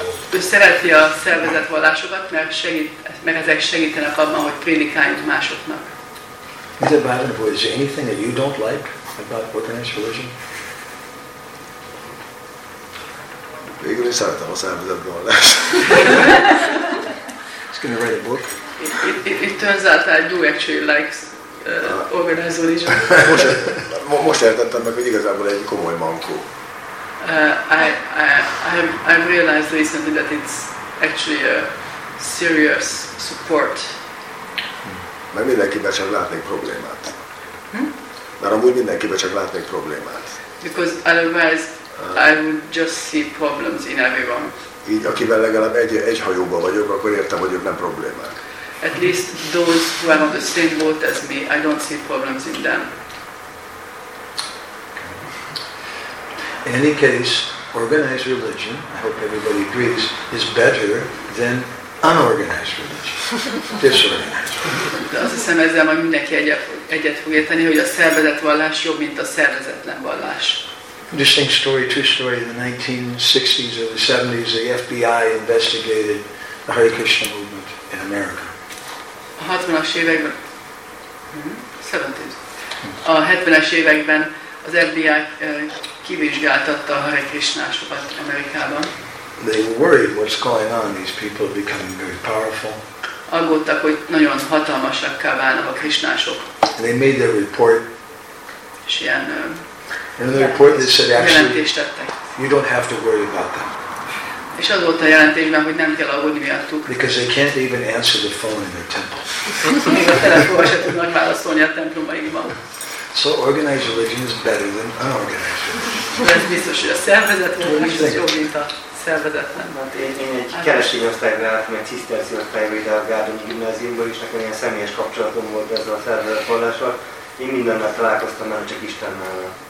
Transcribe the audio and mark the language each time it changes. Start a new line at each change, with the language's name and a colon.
Hungarian: Ő szereti a szervezett vallásokat, mert ezek segítenek abban, hogy prédikáljunk másoknak.
English: Is there, by the way, is there anything that you don't like about organized religion?
Hungarian: Végül is szeretem a szervezett vallás.
English: Going to write a book. It turns out that I do actually like organized religion.
Hungarian: Most értettem meg, hogy igazából egy komoly mankó.
English: I've realized recently that it's actually a serious support.
Hungarian: Mert mindenkiben csak látnék problémát. Mert amúgy mindenkiben csak látnék problémát.
English: Because otherwise I would just see problems in everyone.
Hungarian: Így, akivel legalább egy hajóban vagyok, akkor értem, hogy ők nem problémák.
English: At least those who are on the same boat as me, I don't see problems in them. In any case, organized religion, I hope everybody agrees, is better than unorganized religion. Disorganized.
Hungarian: Azt hiszem, ezzel majd mindenki egyet fog érteni, hogy a szervezett vallás jobb, mint a szervezetlen vallás.
English: Interesting story, true story, in the 1960s or the 70s, the FBI investigated the Hare Krishna movement in America.
Hungarian: A 60-as években, 70s, a 70-es években az FBI kivizsgáltatta a Hare Krishnásokat Amerikában.
English: They were worried what's going on, these people are becoming very powerful.
Hungarian: Aggódtak, hogy nagyon hatalmasakká válnak a Krishnások.
English: And they made their report.
Hungarian: És ilyen,
English: in the report they said actually you don't have to worry about them.
Hungarian: És az volt a jelentésben, hogy nem kell aggódni miattuk.
English: Because they can't even answer the phone in their temple. So organized religion is better than unorganized religion.
Hungarian: Ez biztos, hogy a szervezet is jobb, mint a szervezetlen. Én egy keresztény osztályban álltam, egy ciszterci osztályban ide a Gárdony gimnáziumban is, nekem ilyen személyes kapcsolatom volt ezzel a szervezet vallással. Én mindennel találkoztam, nem csak Istennel.